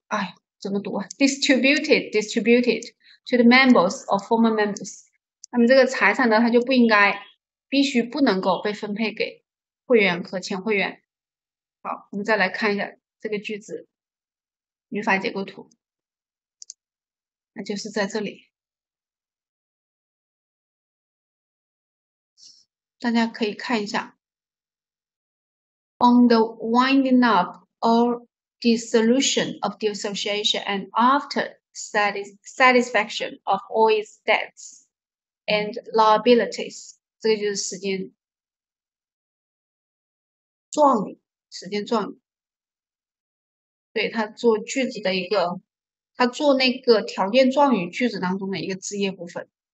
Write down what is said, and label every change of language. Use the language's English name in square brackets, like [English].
[Chinese] 哎，怎么读啊 [English] ？distributed to the members or former members. [Chinese] 那么这个财产呢，它就不应该，必须不能够被分配给会员和前会员。好，我们再来看一下这个句子语法结构图，那就是在这里。大家可以看一下。 [English] On the winding up or dissolution of the association and after satisfaction of all its debts and liabilities. [Chinese] 这个就是时间状语，时间状语。对，它做句子的一个，它做那个条件状语句子当中的一个枝叶部分。